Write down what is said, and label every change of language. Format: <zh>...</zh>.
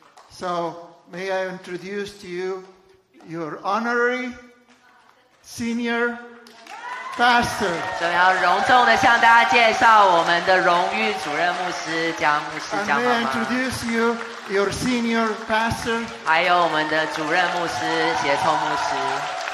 <en>So may I introduce to you your honorary senior pastor.</en> <zh>所以要隆重的向大家介绍我们的荣誉主任牧师江牧师江妈妈。</zh> <en>And may I introduce you your senior pastor.</en> <zh>还有我们的主任牧师协同牧师。</zh>